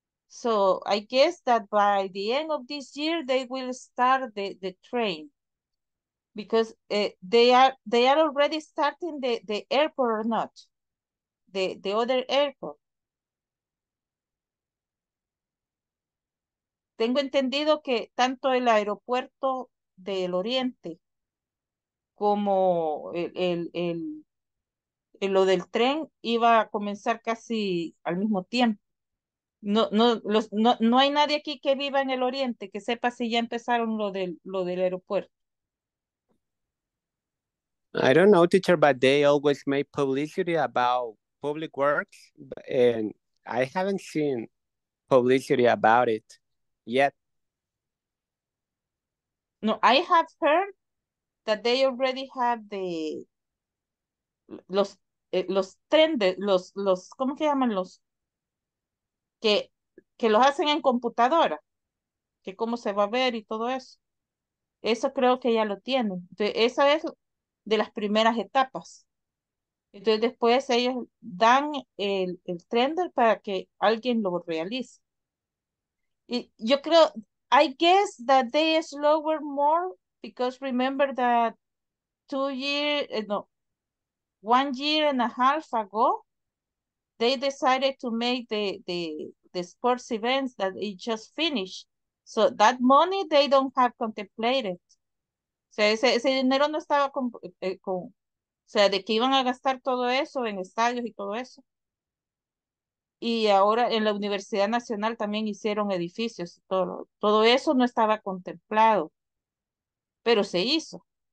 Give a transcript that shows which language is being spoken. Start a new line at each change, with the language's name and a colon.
English: So I guess that by the end of this year they will start the train, because they are already starting the airport, or not the other airport.
Spanish: Tengo entendido que tanto el aeropuerto del oriente como el lo del tren iba a comenzar casi al mismo tiempo. No hay nadie aquí que viva en el oriente que sepa si ya empezaron lo del aeropuerto.
English: I don't know, teacher, but they always make publicity about public works, and I haven't seen publicity about it yet. No, I have heard that they already have the
Spanish: los trendes, los ¿cómo se llaman los? Que los hacen en computadora, que cómo se va a ver y todo eso. Eso creo que ya lo tienen. Entonces, esa es de las primeras etapas. Entonces, después ellos dan el trender para que alguien lo realice. Y yo creo,
English: I guess that they slower more because remember that 1 year and a half ago, they decided to make the sports events that it just finished. So that money they don't have contemplated.
Spanish: O sea, ese dinero no estaba con, o sea, de que iban a gastar todo eso en estadios y todo eso. Y ahora en la Universidad Nacional también hicieron edificios. Todo eso no estaba contemplado, pero se hizo.